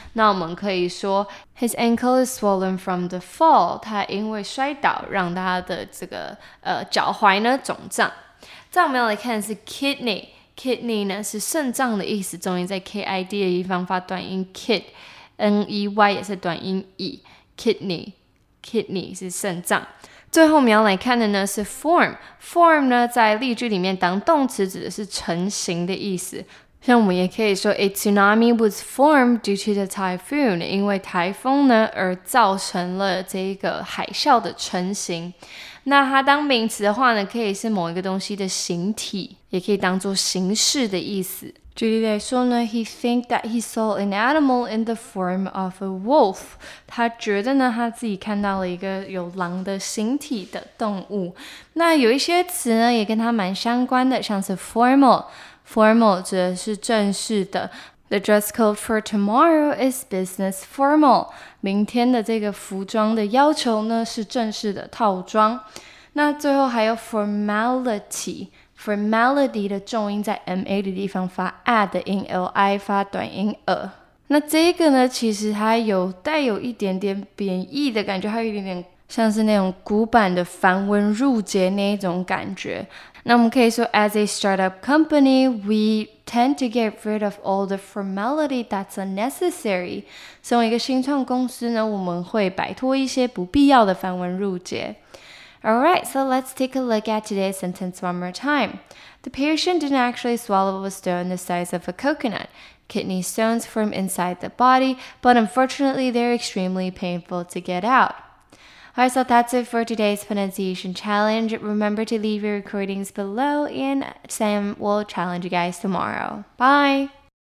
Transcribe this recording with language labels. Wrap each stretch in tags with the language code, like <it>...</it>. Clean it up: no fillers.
<zh>那我们可以说</zh> <en>his ankle is swollen from the fall.</en> <zh>他因为摔倒让他的这个脚踝呢肿胀。再我们要来看的是 kidney， kidney 呢是肾脏的意思，重音在 kid 的地方发短音 kid， ney 也是短音 e， kidney， kidney 是肾脏。最后我们要来看的呢是 form， form 呢在例句里面当动词指的是成型的意思，像我们也可以说</zh> <en>a tsunami was formed due to the typhoon，</en> <zh>因为台风呢而造成了这个海啸的成型。那它当名词的话呢，可以是某一个东西的形体，也可以当作形式的意思。举例来说呢，</zh> <en>he think that he saw an animal in the form of a wolf，</en> <zh>他觉得呢他自己看到了一个有狼的形体的动物。那有一些词呢也跟它蛮相关的，像是 formal， formal 指的是正式的。</zh> <en>The dress code for tomorrow is business formal.</en> <zh>明天的这个服装的要求呢是正式的套装。那最后还有 formality， formality 的重音在 ma 的地方发 a 的音， li 发短音 a。那这个呢，其实它有带有一点点贬义的感觉，还有一点点像是那种古板的繁文缛节那一种感觉。那我们可以说</zh> <en>，as a startup company, we tend to get rid of all the formality that's unnecessary.</en> <zh>身为一个新创公司呢，我们会摆脱一些不必要的繁文缛节。</zh> <en>All right, so let's take a look at today's sentence one more time. The patient didn't actually swallow a stone the size of a coconut. Kidney stones form inside the body, but unfortunately, they're extremely painful to get out. Alright, so that's it for today's pronunciation challenge. Remember to leave your recordings below and Sam will challenge you guys tomorrow. Bye!</en>